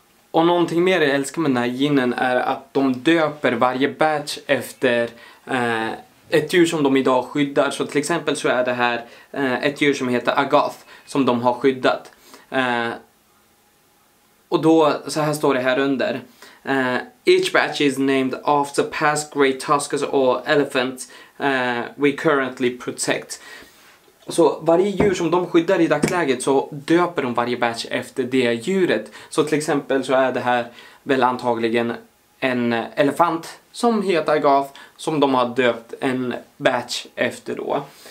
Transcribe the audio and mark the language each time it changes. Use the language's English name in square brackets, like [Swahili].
[Swedish] Och någonting mer jag älskar med den här ginen är att de döper varje batch efter ett djur som de idag skyddar. Så till exempel så är det här ett djur som heter Agath, som de har skyddat. Och då, så här står det här under. [English] Each batch is named after past great tuskers or elephants we currently protect. [Swedish] Så varje djur som de skyddar i dagsläget, så döper de varje batch efter det djuret. Så till exempel så är det här väl antagligen en elefant som heter Agath, som de har döpt en batch efter då.